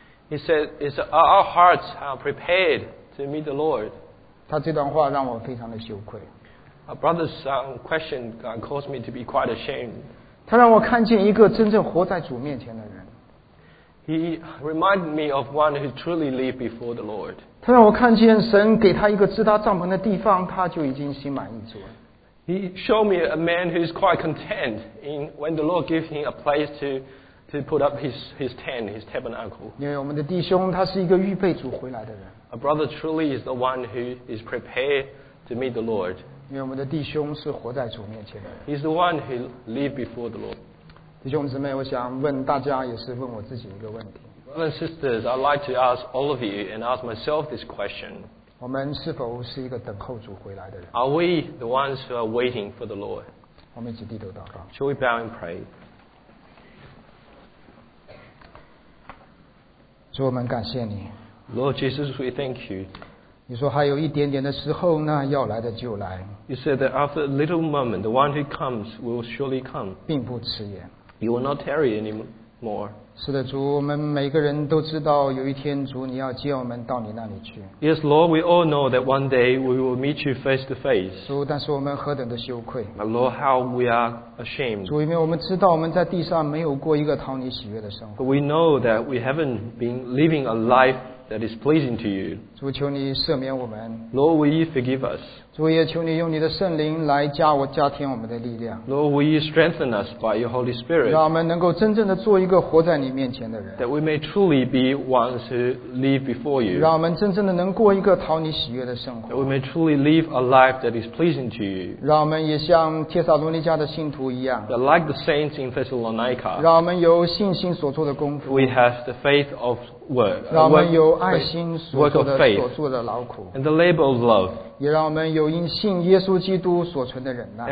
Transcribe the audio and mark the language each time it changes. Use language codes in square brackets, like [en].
[en] ？He said, "Is our hearts prepared to meet the Lord?" [zh] 他这段话让我非常的羞愧。 [en] A brother's question caused me to be quite ashamed. [zh] 他让我看见一个真正活在主面前的人。 [en] He reminded me of one who truly lived before the Lord. [zh] 他让我看见神给他一个支搭帐篷的地方，他就已经心满意足了。 [en] He showed me a man who is quite content in when the Lord gave him a place to put up his tent, his tabernacle. [zh] 因为我们的弟兄他是一个预备主回来的人。 [en] A brother truly is the one who is prepared to meet the Lord. [zh] 因为我们的弟兄是活在主面前的人。 [en] He's the one who lived before the Lord. [zh] 弟兄姊妹，我想问大家，也是问我自己一个问题。 [en] Brothers and sisters, I'd like to ask all of you and ask myself this question. [zh] 我们是否是一个等候主回来的人 [en] ？Are we the ones who are waiting for the Lord? [zh] 我们一起低头祷告。 [en] Shall we bow and pray? [zh] 主，我们感谢你。 [en] Lord Jesus, we thank you. [zh] 你说还有一点点的时候，那要来的就来。 [en] You said that after a little moment, the one who comes will surely come. [zh] 并不迟延。 [en] You will not tarry anymore. [zh] 是的，主，我们每个人都知道，有一天主你要接我们到你那里去。 [en] Yes, Lord, we all know that one day we will meet you face to face. [zh] 主，但是我们何等的羞愧。 [en] But Lord, how we are ashamed. [zh] 主，因为我们知道我们在地上没有过一个讨你喜悦的生活。 [en] But we know that we haven't been living a life that is pleasing to you. [zh] 主，求你赦免我们。 [en] Lord, will you forgive us? [zh] 主也求你用你的圣灵来加我加添我们的力量。 [en] Lord, will you strengthen us by your Holy Spirit? [zh] 让我们能够真正的做一个活在你面前的人。 [en] That we may truly be ones who live before you. [zh] 让我们真正的能过一个讨你喜悦的生活。 [en] That we may truly live a life that is pleasing to you. [zh] 让我们也像帖撒罗尼迦的信徒一样。 [en] That like the saints in Thessalonica. [zh] 让我们有信心所做的功夫。 [en] We have the faith of work. [zh] 让我们有爱心所做的 [en] faith, [zh] 所做的劳苦。 [en] And the labor of love. [zh] 也让我们有因信耶稣基督所存的忍耐。